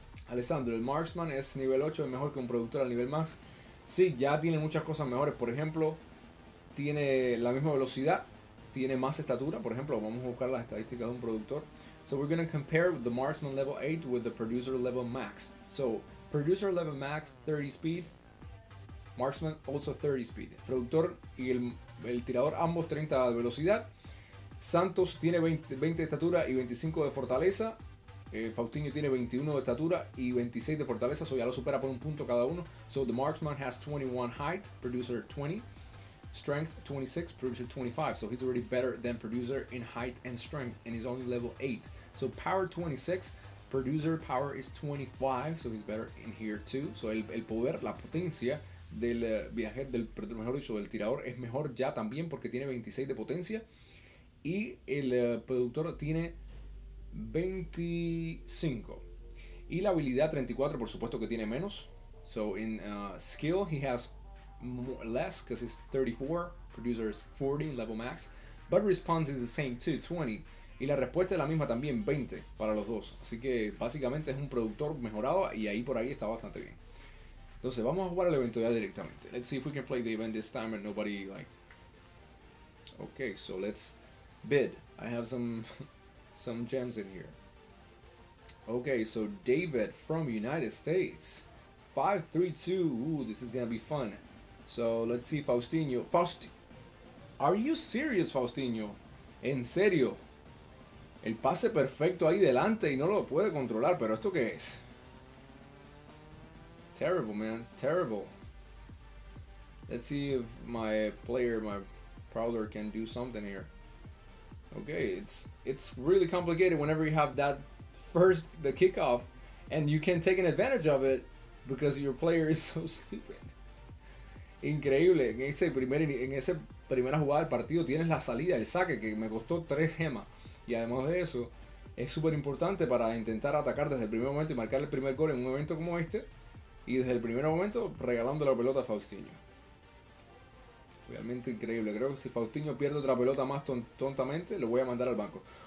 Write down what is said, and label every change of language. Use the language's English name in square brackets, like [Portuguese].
[Spanish] Alessandro, el marksman es nivel 8, es mejor que un productor al nivel max. Sí, ya tiene muchas cosas mejores. Por ejemplo, tiene la misma velocidad, tiene más estatura. Por ejemplo, vamos a buscar las estadísticas de un productor. [English] So we're gonna compare the marksman level 8 with the producer level max. So producer level max 30 speed, marksman also 30 speed. [Spanish] Productor y el tirador ambos 30 de velocidad. Santos tiene 20 de estatura y 25 de fortaleza. Faustinho tiene 21 de estatura y 26 de fortaleza, eso ya lo supera por un punto cada uno. [English] So the marksman has 21 height, producer 20, strength 26, producer 25. So he's already better than producer in height and strength, and he's only level 8. So power 26, producer power is 25, so he's better in here too. [Spanish] So el poder, la potencia del viajero, del, mejor dicho, del tirador es mejor ya también porque tiene 26 de potencia y el productor tiene 25 y la habilidad 34, por supuesto que tiene menos. [English] So in skill he has less because he's 34, producer is 40 level max, but response is the same too, [Spanish] 20, y la respuesta es la misma también, 20 para los dos, así que básicamente es un productor mejorado y ahí por ahí está bastante bien. Entonces vamos a jugar el evento ya directamente. [English] Let's see if we can play the event this time and nobody like, okay, so let's bid. I have some gems in here. Okay, so David from United States. 5-3-2. Ooh, this is gonna be fun. So let's see Faustinho. Are you serious, Faustinho? En serio. [Spanish] El pase perfecto ahí delante y no lo puede controlar, pero ¿esto qué es? [English] Terrible, man. Terrible. Let's see if my player, my prowler can do something here. Okay, it's really complicated whenever you have that first, the kickoff, and you can't take an advantage of it because your player is so stupid. [Spanish] Increíble, en ese primera jugada del partido tienes la salida, el saque, que me costó 3 gemas. Y además de eso, es súper importante para intentar atacar desde el primer momento y marcar el primer gol en un evento como este. Y desde el primer momento, regalando la pelota a Faustinho. Realmente increíble, creo que si Faustinho pierde otra pelota más tontamente, lo voy a mandar al banco.